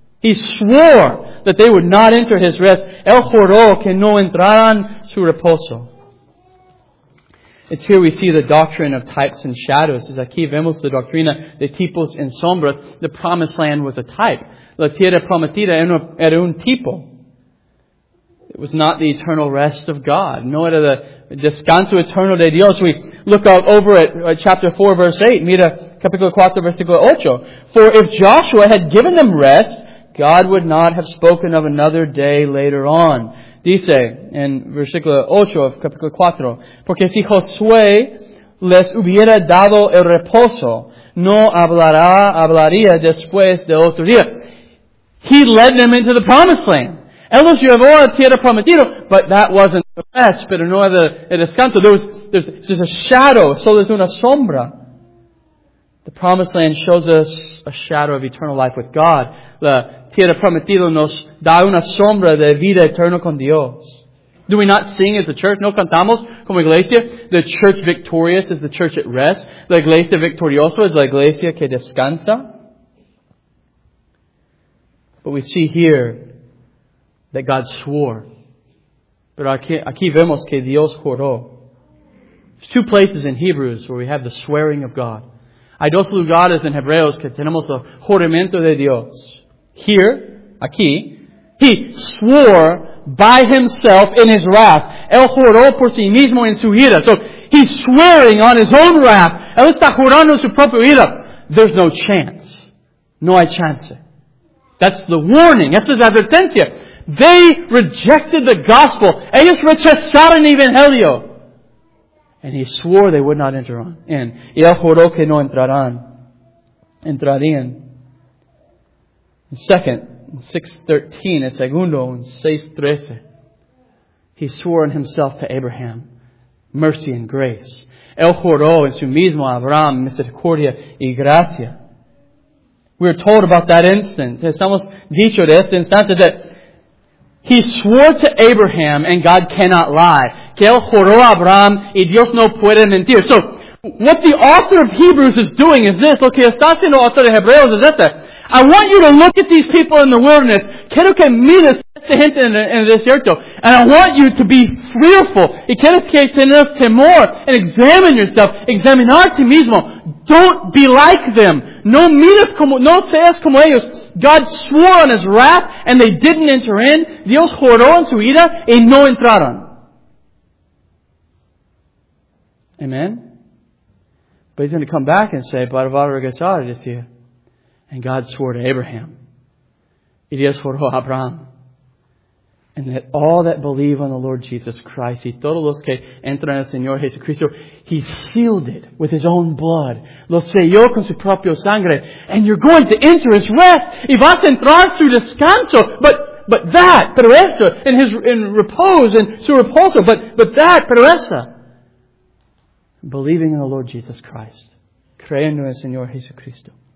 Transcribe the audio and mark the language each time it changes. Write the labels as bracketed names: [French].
[English] He swore that they would not enter his rest. [Spanish] Él juró que no entrarán su reposo. [English] It's here we see the doctrine of types and shadows. [Spanish] Es aquí vemos la doctrina de tipos y sombras. [English] The promised land was a type. [Spanish] La tierra prometida era un tipo. [English] It was not the eternal rest of God. [Spanish] No era el descanso eterno de Dios. [English] We look out over at chapter 4, verse 8. [Spanish] Mira capítulo 4, versículo 8. [English] For if Joshua had given them rest, God would not have spoken of another day later on. [Spanish] Dice, en versículo 8 of capítulo 4, porque si Josué les hubiera dado el reposo, no hablaría después de otro día. [English] He led them into the promised land. [Spanish] Él los llevó a tierra prometida, [English] but that wasn't the rest, [Spanish] pero no era el descanso. [English] There's a shadow, [Spanish] solo es una sombra. [English] The promised land shows us a shadow of eternal life with God. [Spanish] La tierra prometida nos da una sombra de vida eterna con Dios. [English] Do we not sing as a church? [Spanish] No cantamos como iglesia. [English] The church victorious is the church at rest. [Spanish] La iglesia victoriosa is la iglesia que descansa. [English] But we see here that God swore. [Spanish] Pero aquí vemos que Dios juró. [English] There's two places in Hebrews where we have the swearing of God. [Spanish] Hay dos lugares en Hebreos que tenemos el juramento de Dios. [English] Here, [Spanish] aquí, [English] he swore by himself in his wrath. [Spanish] Él juró por sí mismo en su ira. [English] So, he's swearing on his own wrath. [Spanish] Él está jurando su propio ira. [English] There's no chance. [Spanish] No hay chance. [English] That's the warning. [Spanish] Esa es la advertencia. [English] They rejected the gospel. [Spanish] Ellos rechazaron el evangelio. [English] And he swore they would not enter on in. [Spanish] Y él juró que no entrarían. Second, 6:13, el segundo, 6:13. [English] He swore in himself to Abraham, mercy and grace. [Spanish] El juró en su mismo Abraham, misericordia y gracia. [English] We are told about that instant. [Spanish] Estamos dicho de este instante [English] that he swore to Abraham and God cannot lie. [Spanish] Que el juró a Abraham y Dios no puede mentir. [English] So, what the author of Hebrews is doing is this. [Spanish] Lo que está haciendo el autor de Hebreos es este. [English] I want you to look at these people in the wilderness. [Spanish] Quiero que mires esta gente en el desierto. [English] And I want you to be fearful. [Spanish] Y quiero que tengas temor. [English] And examine yourself. [Spanish] Examinar a ti mismo. [English] Don't be like them. [Spanish] No mires como, no seas como ellos. [English] God swore on his wrath and they didn't enter in. [Spanish] Dios juró en su ira y no entraron. [English] Amen? But he's going to come back and say, [Spanish] para va a regresar y decir, [English] and God swore to Abraham. [Spanish] Y Dios juró a Abraham. [English] And that all that believe on the Lord Jesus Christ, [Spanish] y todos los que entran en el Señor Jesucristo, [English] he sealed it with his own blood. [Spanish] Lo selló con su propio sangre. [English] And you're going to enter his rest. [Spanish] Y vas a entrar su descanso. [English] But that, [Spanish] pero eso, [English] in repose, in su reposo. But that, [Spanish] pero eso. [English] Believing in the Lord Jesus Christ. [Spanish] Creyendo en el Señor Jesucristo.